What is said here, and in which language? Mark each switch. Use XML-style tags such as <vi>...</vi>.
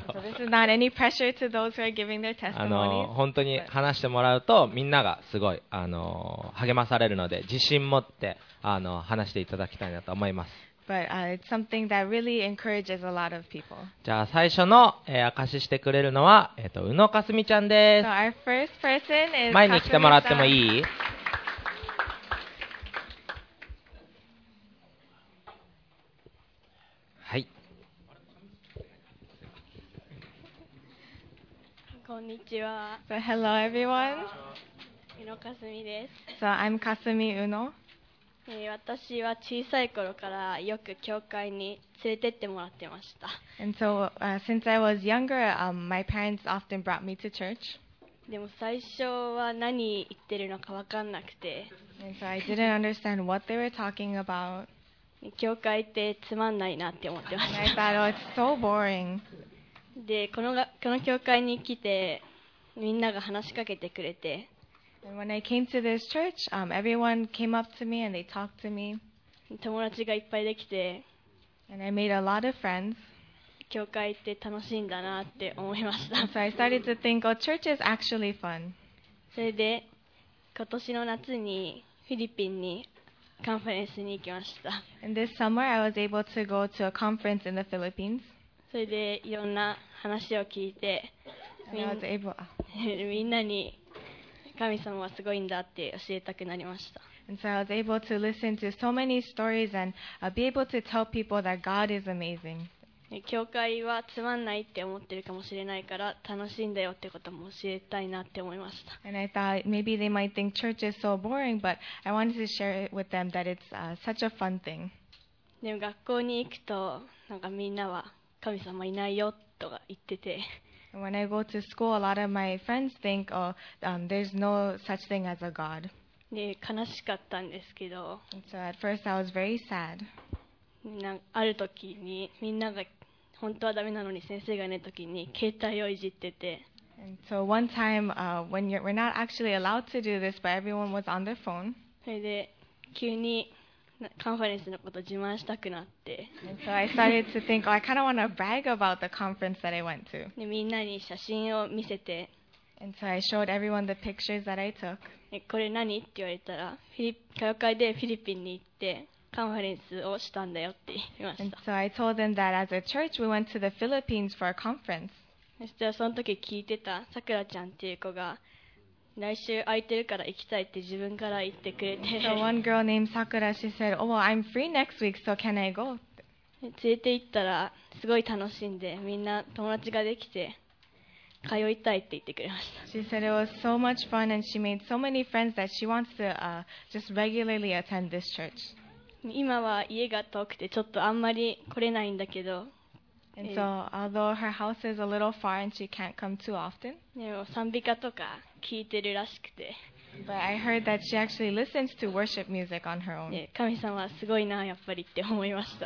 <en>So this is not any pressure to those who are giving their testimonies.</en> <ja>本当に話してもらうと、みんながすごい励まされるので、自信持って話していただきたいなと思います。</ja> <en>But it's something that really encourages a lot of people.</en> <ja>じゃあ最初の、証ししてくれるのは、宇野かすみちゃんです。</ja> <en>So our first person is</en> <ja>前に来てもらってもいい？こんにちは。</ja> <en>So hello everyone.</en> <ja>宇野かすみです。</ja> <en>So I'm Kasumi Uno.</en> <ja>私は小さい頃からよく教会に連れてってもらってました。</ja> <en>And so, since I was younger, my parents often brought me to church.</en> <ja>でも最初は何言ってるのか分かんなくて。</ja> <en>And so I didn't understand what they were talking about.</en> <ja>教会ってつまんないなって思ってました。</ja> <en>I thought, oh, it's so boring.</en> <ja>でこの教会に来てみんなが話しかけてくれて</ja> <en>church,、everyone came up to me and they talked to me.</en> <ja>友達がいっぱいできて</ja> <en>and I made a lot of friends.</en> <ja>教会って楽しいんだなって思いました</ja> <en>so I started to think, oh, church is actually fun.</en> <ja>それで今年の夏にフィリピンにカンファレンスに行きました</ja> <en>and this summer I was able to go to a conference in the Philippines.</en> <ja>それでいろんな話を聞いてみんなに神様はすごいんだって教えたくなりました。</ja> <en>And so I was able to listen to so many stories and be able to tell people that God is amazing.</en> <ja>教会はつまんないって思ってるかもしれないから楽しいんだよってことも教えたいなって思いました。</ja> <en>And I thought maybe they might think church is so boring, but I wanted to share it with them that it's such a fun thing.</en> <ja>でも学校に行くとなんかみんなは神様いないよとか言ってて</ja> <en>When I go to school, a lot of my friends think, oh, there's no such thing as a God.</en> <ja>で、悲しかったんですけど</ja> <en>So at first I was very sad.</en> <ja>ある時にみんなが本当はダメなのに先生がいない時に携帯をいじってて</ja> <en>And So one time, when we're not actually allowed to do this, but everyone was on their phone.</en> <ja>それで、急にカンファレンスのこと自慢したくなって。</ja> <en>So I started to think, oh, I kind of want to brag about the conference that I went to.</en> <ja>で、みんなに写真を見せて。</ja> <en>And so I showed everyone the pictures that I took.</en> <ja>これ何？って言われたら、教会でフィリピンに行ってカンファレンスをしたんだよって言いました。</ja> <en>And so I told them that as a church, we went to the Philippines for a conference.</en> <ja>そしたらその時聞いてたさくらちゃんっていう子が、来週空いてるから行きたいって自分から言ってくれて。</ja> <en>So one girl named Sakura, she said, "Oh, well, I'm free next week, so can I go?"</en> <ja>連れて行ったらすごい楽しんで、みんな友達ができて通いたいって言ってくれました。</ja> <en>She said it was so much fun, and she made so many friends that she wants to just regularly attend this church.</en> <ja>今は家が遠くてちょっとあんまり来れないんだけど。</ja> <en>And so, although her house is a little far and she can't come too often,</en> <ja>でも賛美歌とか聞いてるらしくて。</ja> <en>But I heard that she actually listens to worship music on her own.</en> <ja>神様はすごいな、やっぱりって思いました。</ja>